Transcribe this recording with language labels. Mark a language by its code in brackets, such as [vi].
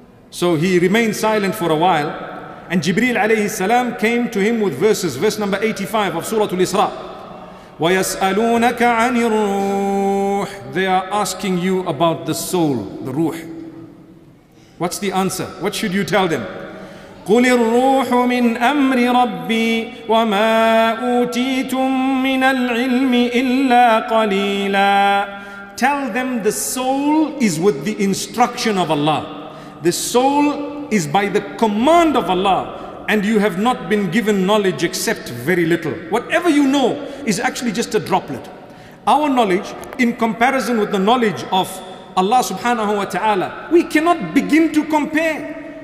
[en] So he remained silent for a while, and Jibreel alayhi salam came to him with verses, verse number 85 of Surah Al-Isra. [ar] وَيَسْأَلُونَكَ عَنِ الرُّوحِ. [en] They are asking you about the soul, the ruh. What's the answer? What should you tell them? [ar] قل الروح من أمر ربي وما أوتيتم من العلم إلا قليلا. [en] Tell them the soul is with the instruction of Allah. The soul is by the command of Allah, and you have not been given knowledge except very little. Whatever you know is actually just a droplet. Our knowledge, in comparison with the knowledge of Allah subhanahu wa ta'ala, we cannot begin to compare.